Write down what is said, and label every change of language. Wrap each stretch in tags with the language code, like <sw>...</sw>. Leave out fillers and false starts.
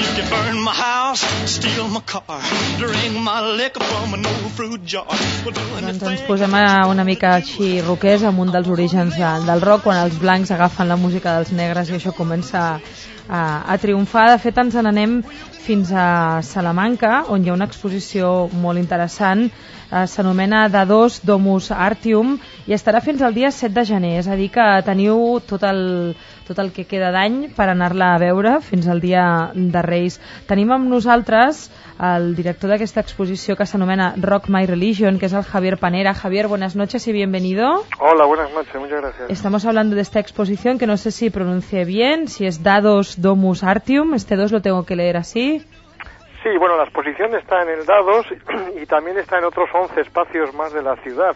<en>Burn my house, steal my car, drink my liquor from an old fruit jar.</en> <ca>Doncs ens posem una mica així rockers, amb un dels orígens del rock, quan els blancs agafen la música dels negres i això comença a triomfar. De fet, ens n'anem fins a Salamanca, on hi ha una exposició molt interessant. S'anomena Dados Domus Artium i estarà fins al dia 7 de gener. És a dir, que teniu tot el que queda d'any per anar-la a veure fins al dia de Reis. Tenim amb nosaltres el director d'aquesta exposició, que s'anomena Rock My Religion, que és el Javier Panera.</ca> <es>Javier, buenas noches y bienvenido. Hola, buenas noches, muchas gracias. Estamos hablando de esta exposición, que no sé si pronuncie bien, si es Dados Domus Artium, este dos lo tengo que leer así. Sí, bueno, la exposición está en el Dados y también está en otros 11 espacios más de la ciudad.</es>